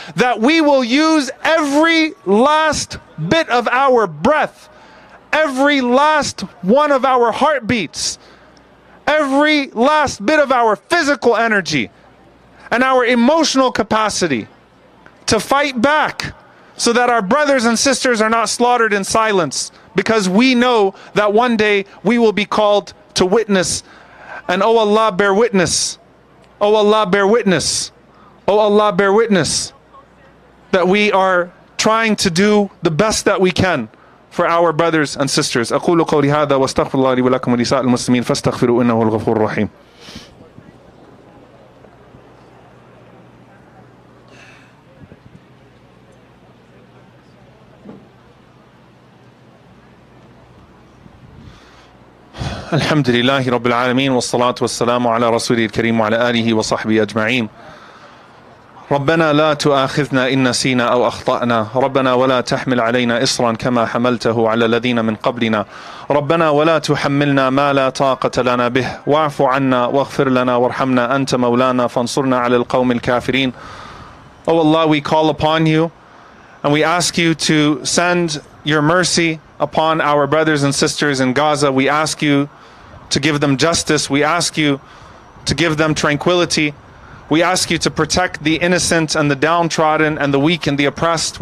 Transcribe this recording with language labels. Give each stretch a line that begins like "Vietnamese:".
English: That we will use every last bit of our breath, every last one of our heartbeats, every last bit of our physical energy and our emotional capacity to fight back so that our brothers and sisters are not slaughtered in silence, because we know that one day we will be called to witness. And oh Allah, bear witness. Oh Allah, bear witness. Oh Allah, bear witness that we are trying to do the best that we can for our brothers and sisters.
Arabic: أقول قولي هذا واستغفر الله لي ولكم ولسائر المسلمين فاستغفروا إنه الغفور الرحيم. الحمد لله رب العالمين والصلاة والسلام على رسوله الكريم وعلى آله وصحبه أجمعين. ربنا لا تؤاخذنا إن نسينا أو أخطأنا. ربنا ولا تحمل علينا إصرا كما حملته على الذين من قبلنا. ربنا ولا تحملنا ما لا طاقة لنا به. واعف عنا واغفر لنا وارحمنا. أنت مولانا فانصرنا على القوم الكافرين.
English: Oh Allah, we call upon you and we ask you to send your mercy upon our brothers and sisters in Gaza. We ask you to give them justice. We ask you to give them tranquility. We ask you to protect the innocent and the downtrodden and the weak and the oppressed.